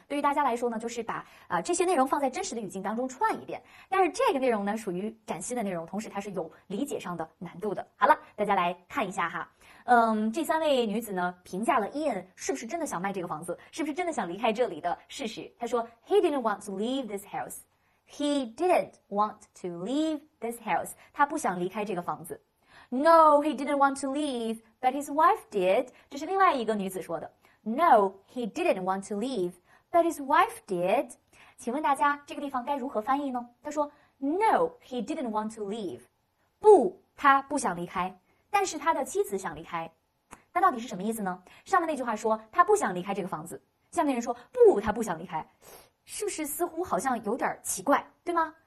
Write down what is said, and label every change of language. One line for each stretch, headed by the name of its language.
Chinese: 对于大家来说呢，就是把这些内容放在真实的语境当中串一遍。但是这个内容呢，属于崭新的内容，同时它是有理解上的难度的。好了，大家来看一下哈，这三位女子呢评价了 Ian 是不是真的想卖这个房子，是不是真的想离开这里的事实。她说
English: He didn't want to leave this house. He didn't want to leave this house.
Chinese: 他不想离开这个房子。
English: No, he didn't want to leave, but his wife did.
Chinese: 这是另外一个女子说的。
English: No, he didn't want to leave, but his wife did.
Chinese: 请问大家，这个地方该如何翻译呢？他说
English: ，No, he didn't want to leave.
Chinese: 不，他不想离开，但是他的妻子想离开。那到底是什么意思呢？上面那句话说他不想离开这个房子，下面人说不，他不想离开。是不是似乎好像有点奇怪，对吗？